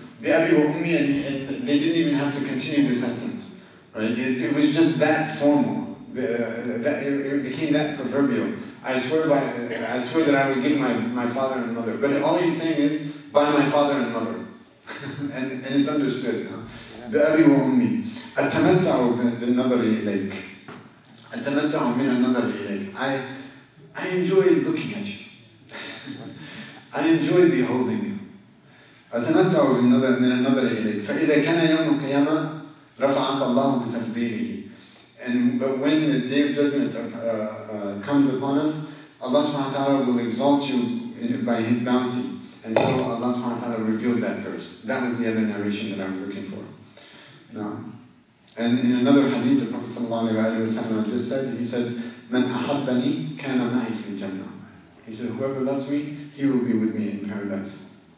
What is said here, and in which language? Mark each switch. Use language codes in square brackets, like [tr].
[en] بِأَبِي وَأُمِّي, and they didn't even have to continue the sentence. Right? It was just that formal. It became that proverbial. I swear that I would give my father and mother. But all he's saying is by my father and mother, and it's understood. [ar] The أبي وأمي أتمتع بالنظر إليك. [en] أتمتع من النظر إليك. I enjoy looking at you. I enjoy beholding you. [ar] أتمتع بالنظر من النظر إليك. فإذا كان يوم القيامة رفعك الله بتفضيله. [en] And but when the day of judgment comes upon us, Allah subhanahu wa ta'ala will exalt you by His bounty. And so Allah subhanahu wa ta'ala revealed that verse. That was the other narration that I was looking for. Now, and in another hadith, the Prophet sallallahu alaihi wasallam just said, he said, "من أحبني كان معي في الجنة." He said, "Whoever loves me, he will be with me in paradise."